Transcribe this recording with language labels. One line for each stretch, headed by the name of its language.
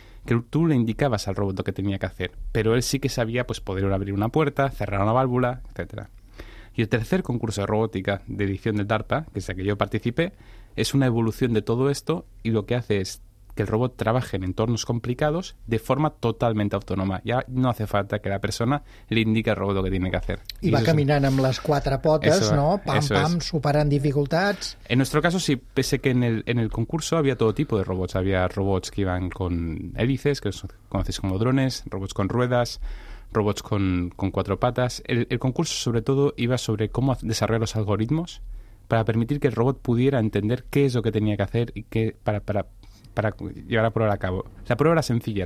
Spanish: Que tú le indicabas al robot lo que tenía que hacer, pero él sí que sabía pues poder abrir una puerta, cerrar una válvula, etcétera. Y el tercer concurso de robótica de edición del DARPA, que es el que yo participé, es una evolución de todo esto y lo que hace es que el robot trabaje en entornos complicados de forma totalmente autónoma. Ya no hace falta que la persona le indique al robot lo que tiene que hacer. Y va caminando
Catalan: amb les quatre potes, ¿no? Pam, pam, superant dificultats.
Spanish: En nuestro caso, sí, pese que en el concurso había todo tipo de robots. Había robots que iban con hélices, que los conocéis como drones, robots con ruedas, robots con cuatro patas. El concurso, sobre todo, iba sobre cómo desarrollar los algoritmos para permitir que el robot pudiera entender qué es lo que tenía que hacer y qué para llevar la prueba a cabo. La prueba era sencilla.